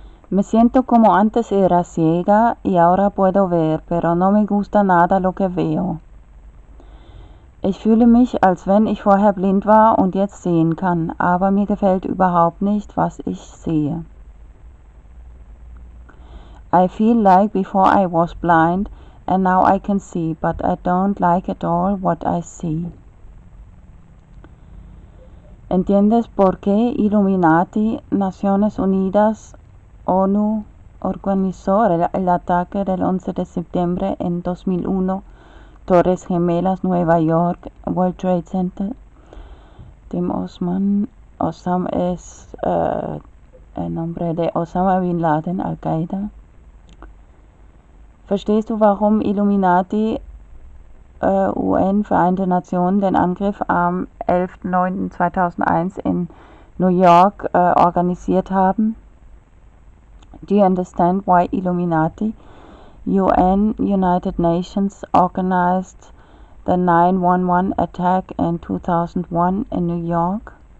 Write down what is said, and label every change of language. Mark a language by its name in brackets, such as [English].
[Spanish] Me siento como antes era ciega y ahora puedo ver, pero no me gusta nada lo que veo. [German] Ich fühle mich, als wenn ich vorher blind war und jetzt sehen kann, aber mir gefällt überhaupt nicht, was ich sehe. [English] I feel like before I was blind and now I can see, but I don't like at all what I see. [Spanish] ¿Entiendes por qué Illuminati, Naciones Unidas, ONU organizó el ataque del 11 de septiembre en 2001, Torres Gemelas, Nueva York, World Trade Center, Tim Osman, Osama es el nombre de Osama Bin Laden, Al-Qaeda? [German] ¿Verstehst du, warum Illuminati, UN, Vereinte Nationen, den Angriff am 11.09.2001 in New York organisiert haben? [English] Do you understand why Illuminati, UN, United Nations, organized the 9/11 attack in 2001 in New York?